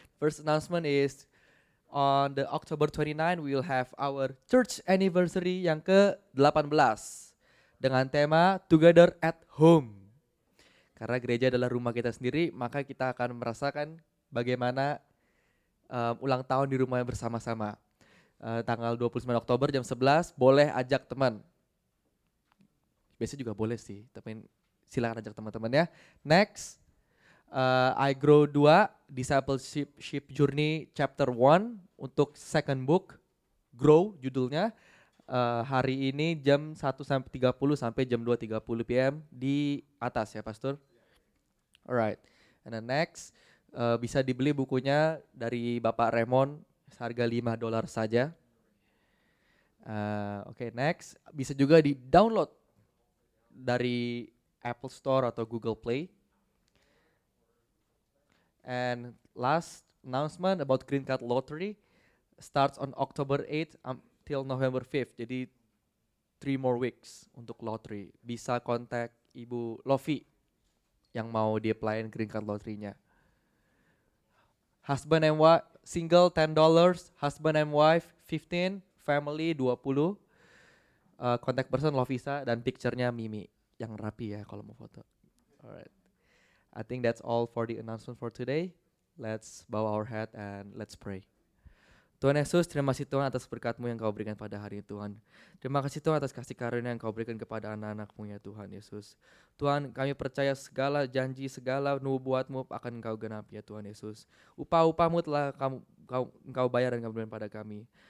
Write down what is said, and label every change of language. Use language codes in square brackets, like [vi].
[en] First announcement is, on the October 29, we'll have our church anniversary [id] yang ke-18. Dengan tema Together at Home. Karena gereja adalah rumah kita sendiri, maka kita akan merasakan bagaimana ulang tahun di rumah bersama-sama. Tanggal 29 Oktober jam 11, boleh ajak teman. Biasanya juga boleh sih, tapi silakan ajak teman-teman ya. Next, iGrow 2, Discipleship Journey Chapter 1 untuk second book. Grow judulnya. Hari ini jam 1.30 sampai jam 2.30 PM di atas ya Pastor. [en] Alright, and then next [id] bisa dibeli bukunya dari Bapak Raymond seharga $5 saja. Okay, next bisa juga di download dari Apple Store atau Google Play. [en] And last announcement about Green Card Lottery starts on October 8th till November 5th. [id] Jadi [en] 3 more weeks [id] untuk lottery. Bisa kontak Ibu Lofi yang mau di-applyin Green Card Lottery-nya. [en] Husband and wife single $10, husband and wife 15, family 20. Contact person [id] Lovisa dan picture-nya Mimi yang rapi ya kalau mau foto. Alright. [en] I think that's all for the announcement for today. Let's bow our head and let's pray. [id] Tuhan Yesus, terima kasih Tuhan atas berkat-Mu yang Kau berikan pada hari ini Tuhan. Terima kasih Tuhan atas kasih karunia yang Kau berikan kepada anak-anak-Mu ya Tuhan Yesus. Tuhan, kami percaya segala janji, segala nubuat-Mu akan Kau genapi ya Tuhan Yesus. Upah-upah-Mu telah Kau bayar dan Kau berikan pada kami.